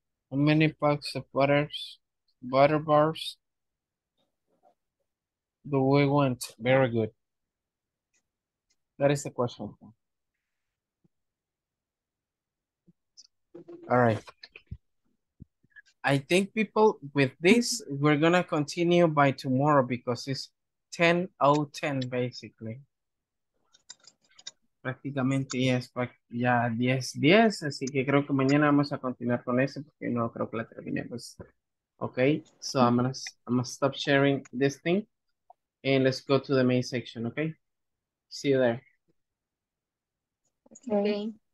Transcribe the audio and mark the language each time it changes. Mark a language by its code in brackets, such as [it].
[en] How many packs of butter bars do we want? Very good. That is the question. All right. I think people, with this, we're going to continue by tomorrow because it's 10:10 basically. [es] Prácticamente ya 10:10, así que creo que mañana vamos a continuar con eso porque no creo que la terminemos. [en] Okay, so I'm gonna stop sharing this thing and let's go to the main section, okay? See you there. Okay.